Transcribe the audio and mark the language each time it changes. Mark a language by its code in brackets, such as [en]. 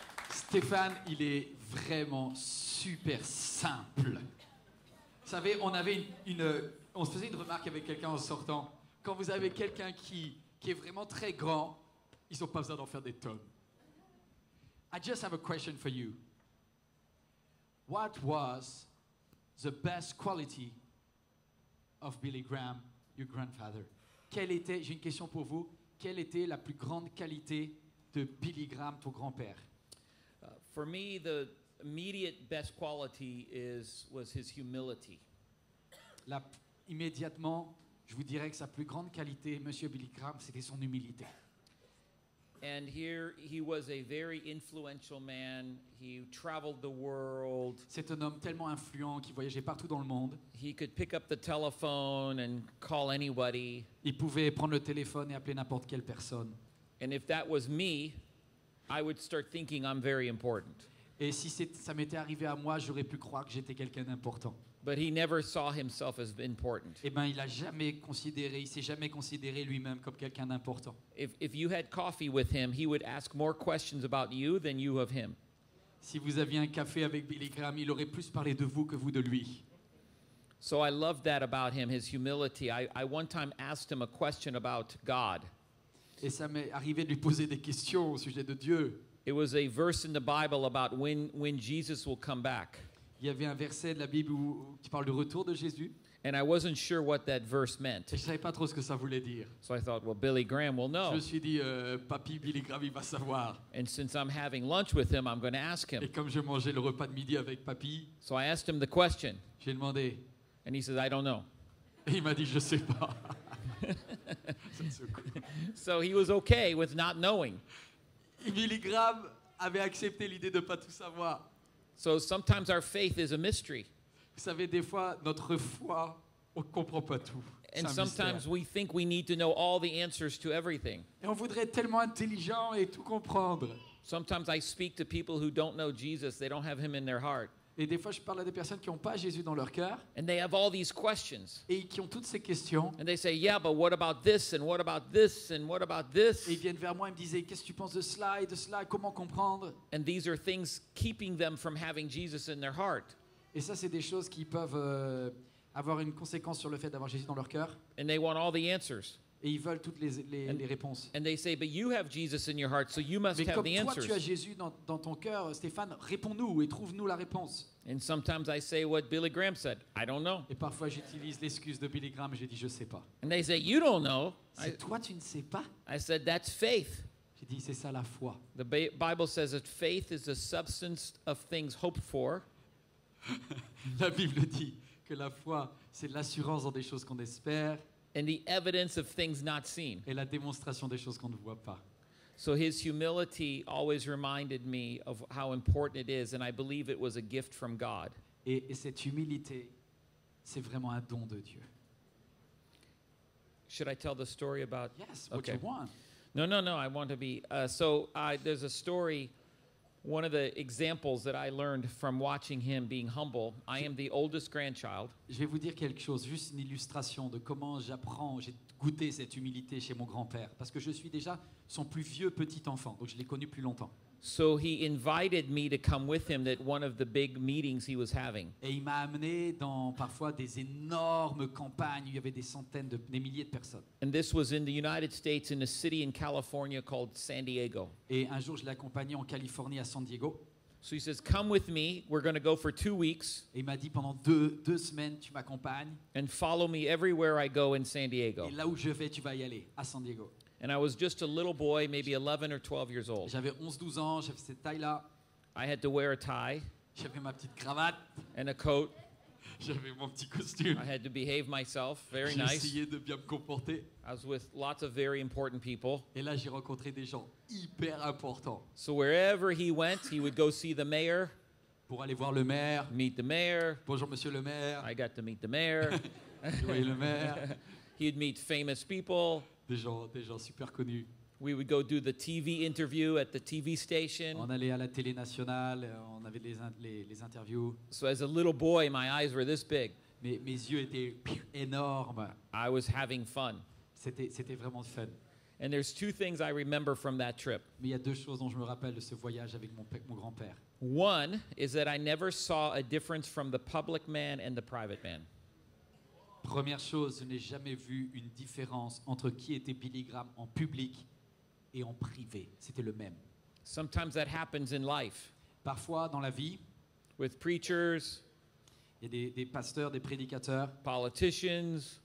[fr] Stephan, il est vraiment super simple. Vous savez, on avait on se faisait une remarque avec quelqu'un en sortant. Quand vous avez quelqu'un qui est vraiment très grand, ils n'ont pas besoin d'en faire des tonnes. [en] I just have a question for you. What was the best quality of Billy Graham, your grandfather? [fr] J'ai une question pour vous. Quelle était la plus grande qualité de Billy Graham, ton grand-père? [en] For me, the immediate best quality was his humility. [fr] Immédiatement, je vous dirais que sa plus grande qualité, Monsieur Billy Graham, c'était son humilité. [en] And here he was a very influential man. He traveled the world. [fr] C'est un homme tellement influent qui voyageait partout dans le monde. [en] He could pick up the telephone and call anybody. [fr] Il pouvait prendre le téléphone et appeler n'importe quelle personne. [en] And if that was me, I would start thinking I'm very important. [fr] Et si ça m'était arrivé à moi, j'aurais pu croire que j'étais quelqu'un d'important. [en] But he never saw himself as important. [fr] Eh ben, il s'est jamais considéré lui-même comme quelqu'un d'important. [en] If you had coffee with him, he would ask more questions about you than you of him. [fr] Si vous aviez un café avec Billy Graham, il aurait plus parlé de vous que vous de lui. [en] So I loved that about him, his humility. I one time asked him a question about God. [fr] Et ça m'est arrivé de lui poser des questions au sujet de Dieu. [en] It was a verse in the Bible about when Jesus will come back. [fr] Il y avait un verset de la Bible qui parle du retour de Jésus. [en] And I wasn't sure what that verse meant. [fr] Et je savais pas trop ce que ça voulait dire. [en] So I thought, well, Billy Graham will know. [fr] Je me suis dit, papy Billy Graham, il va savoir. [en] And since I'm having lunch with him, I'm going to ask him. [fr] Et comme je mangeais le repas de midi avec papy, [en] so I asked him the question. [fr] J'ai demandé. [en] And he said, I don't know. [fr] Et il m'a dit, je sais pas. [en] So he was okay with not knowing. [fr] Billy Graham avait accepté l'idée de pas tout savoir. [en] So sometimes our faith is a mystery. [fr] Vous savez, des fois, notre foi, on comprend pas tout. [en] And sometimes we think we need to know all the answers to everything. [fr] Et on voudrait être tellement intelligent et tout comprendre. [en] Sometimes I speak to people who don't know Jesus, they don't have him in their heart. [fr] Et des fois, je parle à des personnes qui n'ont pas Jésus dans leur cœur. [en] And they have all these questions. [fr] Et qui ont toutes ces questions. [en] And they say, yeah, but what about this, and what about this, and what about this? [fr] Et ils viennent vers moi et me disent, qu'est-ce que tu penses de cela, comment comprendre? [en] And these are things keeping them from having Jesus in their heart. [fr] Et ça, c'est des choses qui peuvent avoir une conséquence sur le fait d'avoir Jésus dans leur cœur. [en] And they want all the answers. [fr] Et ils veulent toutes les réponses. [en] And they say, but you have Jesus in your heart, so you must have the answers. [fr] Mais comme toi, tu as Jésus dans ton cœur, Stéphane, réponds-nous et trouve-nous la réponse. [en] And sometimes I say what Billy Graham said. I don't know. [fr] Et parfois, j'utilise l'excuse de Billy Graham, j'ai dit, je ne sais pas. [en] And they say, you don't know. [fr] Toi, tu ne sais pas. [en] I said, that's faith. [fr] J'ai dit, c'est ça la foi. [en] The Bible says that faith is the substance of things hoped for. [fr] La Bible dit que la foi, c'est l'assurance dans des choses qu'on espère. [en] And the evidence of things not seen. [fr] Et la démonstration des choses qu'on ne voit pas. [en] So his humility always reminded me of how important it is, and I believe it was a gift from God. [fr] Et cette humilité, c'est vraiment un don de Dieu. [en] Should I tell the story about... Yes, what okay. You want. No, I want to be... there's a story, one of the examples that I learned from watching him being humble. I am the oldest grandchild. [fr] Je vais vous dire quelque chose, juste une illustration de comment j'apprends, j'ai goûté cette humilité chez mon grand-père, parce que je suis déjà son plus vieux petit enfant, donc je l'ai connu plus longtemps. [en] So he invited me to come with him at one of the big meetings he was having. [fr] Et il m'a amené dans parfois des énormes campagnes où il y avait des centaines de des milliers de personnes. [en] And this was in the United States in a city in California called San Diego. [fr] Et un jour je l'accompagnais en Californie à San Diego. [en] So he says, "Come with me. We're going to go for 2 weeks." [fr] Et il m'a dit pendant deux semaines tu m'accompagnes. [en] And follow me everywhere I go in San Diego. [fr] Et là où je vais tu vas y aller à San Diego. [en] And I was just a little boy, maybe 11 or 12 years old. [fr] J'avais 11-12 ans, j'avais cette taille-là. [en] I had to wear a tie. [fr] J'avais ma petite cravate. [en] And a coat. [fr] J'avais mon petit costume. [en] I had to behave myself, very [fr] j'ai [en] nice. [fr] Essayé de bien me comporter. [en] I was with lots of very important people. [fr] Et là, j'ai rencontré des gens hyper importants. [en] So wherever he went, he would go see the mayor. [fr] Pour aller voir le maire. [en] Meet the mayor. [fr] Bonjour, monsieur le maire. [en] I got to meet the mayor. [fr] Je voyais le maire. [en] He'd meet famous people. [fr] Des gens super connus. [en] We would go do the TV interview at the TV station. [fr] On allait à la télé nationale, on avait les interviews. [en] So as a little boy, my eyes were this big. [fr] Mes yeux étaient énormes. [en] I was having fun. [fr] C'était vraiment fun. [en] And there's two things I remember from that trip. [fr] Mais il y a deux choses dont je me rappelle de ce voyage avec mon grand-père. [en] One is that I never saw a difference from the public man and the private man. [fr] Première chose, je n'ai jamais vu une différence entre qui était Billy Graham en public et en privé. C'était le même. [en] Sometimes that happens in life. [fr] Parfois, dans la vie, [en] with preachers, [fr] il y a des pasteurs, des prédicateurs, [en] politicians,